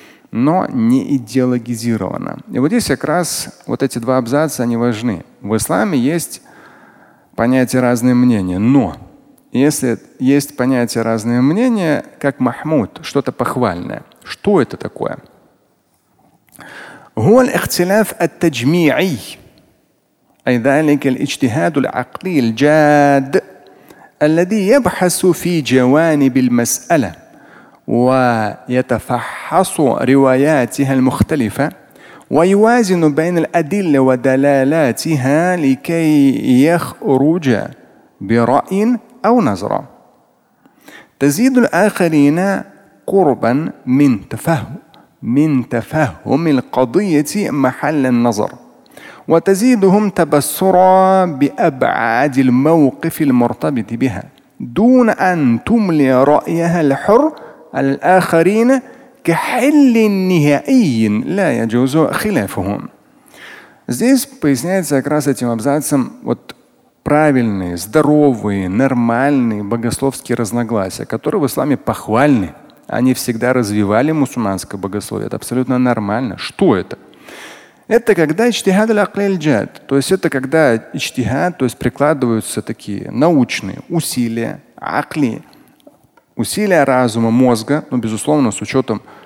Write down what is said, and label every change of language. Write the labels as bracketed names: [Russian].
[Russian] Но не идеологизировано. И вот здесь как раз вот эти два абзаца, они важны. В исламе есть понятие «разные мнения», но если есть понятие «разные мнения», как «махмуд», что-то похвальное, что это такое? [Arabic] هو الاختلاف التجميعي أي ذلك الاجتهاد العقلي الجاد الذي يبحث في جوانب المسألة ويتفحص رواياتها المختلفة ويوازن بين الأدلة ودلالاتها لكي يخرج برأي أو نظرة تزيد الآخرين قرباً من تفهم القضية محل النظر وتزيدهم تبصراً بأبعاد الموقف المرتبط بها دون أن تملي رأيها الحر على الآخرين كحل نهائي لا يجوز خلافهم. [Russian] Здесь поясняется как раз этим абзацем вот правильные, здоровые, нормальные богословские разногласия, которые в исламе похвальны. Они всегда развивали мусульманское богословие. Это абсолютно нормально. Что это? Это когда ичтихад аль-акли аль-джад, то есть это когда ичтихад, то есть прикладываются такие научные усилия, акли, усилия разума, мозга, ну, безусловно, с учетом,